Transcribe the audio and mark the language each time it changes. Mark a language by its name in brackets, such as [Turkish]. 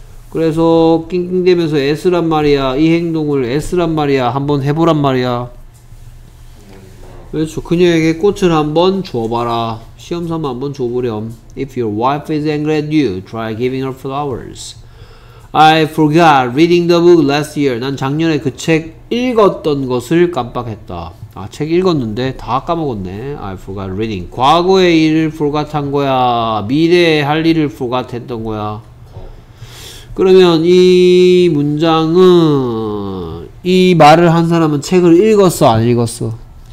[Korean] 그래서 낑낑대면서 애쓰란 말이야. 이 행동을 애쓰란 말이야. 한번 해보란 말이야. 그렇죠. 그녀에게 꽃을 한번 줘봐라. 시험삼아 한번 줘보렴. [English] If your wife is angry at you, try giving her flowers. I forgot reading the book last year. [Korean] 난 작년에 그 책 읽었던 것을 깜빡했다. 아, 책 읽었는데 다 까먹었네. [English] I forgot reading. [Korean] 과거의 일을 forgot 한 거야. 미래에 할 일을 forgot 했던 거야. 그러면 이 문장은 이 말을 한 사람은 책을 읽었어, 안 읽었어?